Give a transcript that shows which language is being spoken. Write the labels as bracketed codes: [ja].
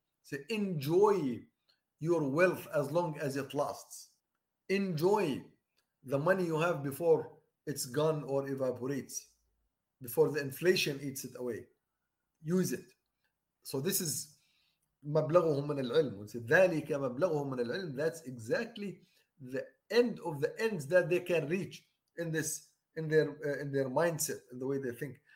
[en] So enjoy your wealth as long as it lasts. Enjoy the money you have before it's gone or evaporates, before the inflation eats it away. Use it. So this is [ar] مبلغهم من العلم. [en] We say [ar] ذلك مبلغهم من العلم. [en] That's exactly the end of the ends that they can reach in this, in their mindset, in the way they think.